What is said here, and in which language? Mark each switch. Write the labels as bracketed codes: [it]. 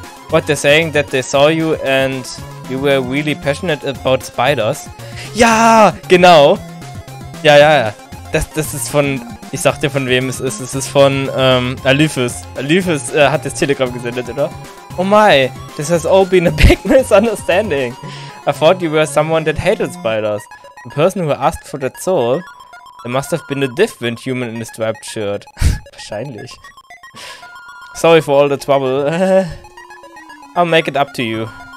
[en] What, they're saying that they saw you and you were really passionate about spiders? [de] Ja, genau. Ja, ja, ja. Das ist von... Ich sag dir, von wem es ist. Es ist von Alifus. Alifus hat das Telegramm gesendet, oder? [en] Oh my, this has all been a big misunderstanding. I thought you were someone that hated spiders. The person who asked for that soul, there must have been a different human in a striped shirt. [de] Wahrscheinlich. [en] Sorry for all the trouble. I'll make it up to you.